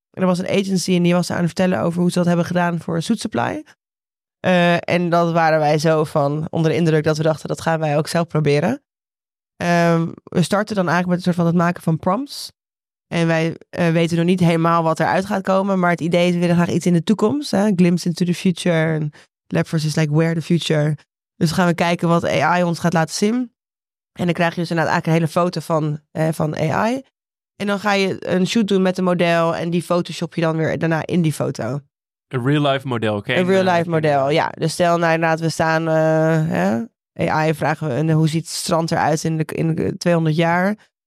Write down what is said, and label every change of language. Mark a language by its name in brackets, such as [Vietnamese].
[Dutch] En er was een agency en die was aan het vertellen over hoe ze dat hebben gedaan voor Suit Supply. En dat waren wij zo van onder de indruk dat we dachten dat gaan wij ook zelf proberen. We starten dan eigenlijk met een soort van het maken van prompts. En wij weten nog niet helemaal wat eruit gaat komen. Maar het idee is, we willen graag iets in de toekomst. Hè? [English] Glimpse into the future. And Labverse is like where the future. [Dutch] Dus gaan we kijken wat AI ons gaat laten zien. En dan krijg je dus inderdaad eigenlijk een hele foto van AI. En dan ga je een shoot doen met een model. En die photoshop je dan weer daarna in die foto. Een real life model. Okay. Een real life model, ja. Dus stel nou inderdaad, we staan AI, vragen we hoe ziet het strand eruit in 200 jaar.